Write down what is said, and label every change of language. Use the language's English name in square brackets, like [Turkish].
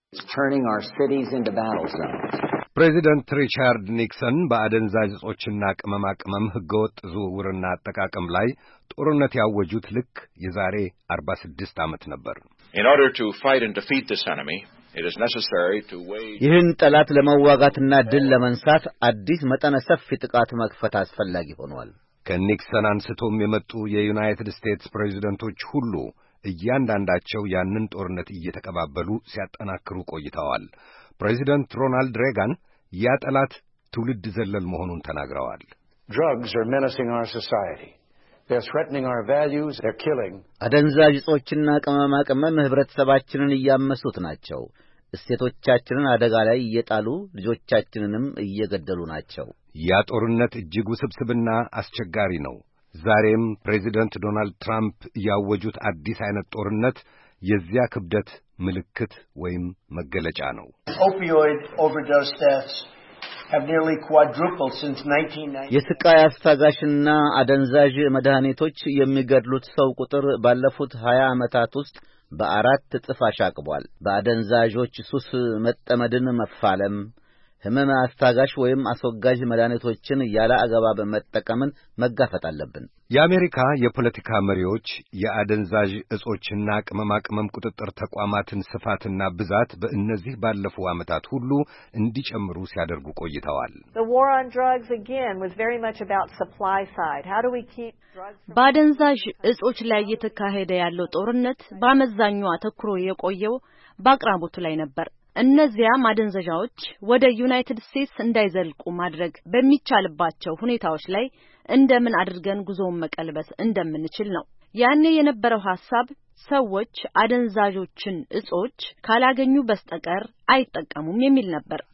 [English] It's turning our cities into battle zones. [Amharic] ፕሬዚደንት ሪቻርድ ኒክሰን በአደንዛዥ እጾችና ቅመማ ቅመም ህገወጥ ዝውውርና አጠቃቀም ላይ ጦርነት ያወጁት ልክ የዛሬ 46 ዓመት ነበር። [English] In order to fight and defeat this enemy, it is necessary to wage [Amharic] ይህን ጠላት ለመዋጋትና ድል ለመንሳት አዲስ መጠነ ሰፊ ጥቃት መክፈት አስፈልጋ ይሆናል። ከኒክሰን አንስቶም የመጡ የዩናይትድ ስቴትስ ፕሬዚደንቶች ሁሉ እያንዳንዳቸው ያንን ጦርነት እየተቀባበሉ ሲያጠናክሩ ቆይተዋል። ፕሬዚደንት ሮናልድ ሬጋን ያ ጠላት ትውልድ ዘለል መሆኑን ተናግረዋል። [English] Drugs are menacing our society. They're threatening our values. They're killing. [Amharic] አደንዛዥ እጾችና ቅመማ ቅመም ህብረተሰባችንን እያመሱት ናቸው። እሴቶቻችንን አደጋ ላይ እየጣሉ ልጆቻችንንም እየገደሉ ናቸው። ያ ጦርነት እጅግ ውስብስብና አስቸጋሪ ነው። ዛሬም ፕሬዚደንት ዶናልድ ትራምፕ ያወጁት አዲስ አይነት ጦርነት የዚያ ክብደት ምልክት ወይም መገለጫ ነው። [English] Opioid overdose deaths have nearly quadrupled since 1990. [Amharic] የስቃይ አስታጋሽና አደንዛዥ መድኃኒቶች የሚገድሉት ሰው ቁጥር ባለፉት 20 ዓመታት ውስጥ በአራት ጥፍ አሻቅቧል። በአደንዛዦች ሱስ መጠመድን መፋለም፣ ህመም አስታጋሽ ወይም አሶጋጅ መድኃኒቶችን ያለ አግባብ በመጠቀምን መጋፈጥ አለብን። የአሜሪካ የፖለቲካ መሪዎች የአደንዛዥ እጾችና ቅመማ ቅመም ቁጥጥር ተቋማትን ስፋትና ብዛት በእነዚህ ባለፉ ዓመታት ሁሉ እንዲጨምሩ ሲያደርጉ ቆይተዋል። [English] The war on drugs again was very much about supply side. How do we keep drugs from [Amharic] በአደንዛዥ እጾች ላይ የተካሄደ ያለው ጦርነት በአመዛኙ አተኩሮ የቆየው በአቅራቦቱ ላይ ነበር። እነዚያ ማደንዘዣዎች ወደ ዩናይትድ ስቴትስ እንዳይዘልቁ ማድረግ በሚቻልባቸው ሁኔታዎች ላይ እንደምን አድርገን ጉዞውን መቀልበስ እንደምንችል ነው። ያኔ የነበረው ሐሳብ ሰዎች አደንዛዦችን እጾች ካላገኙ በስተቀር አይጠቀሙም የሚል ነበር።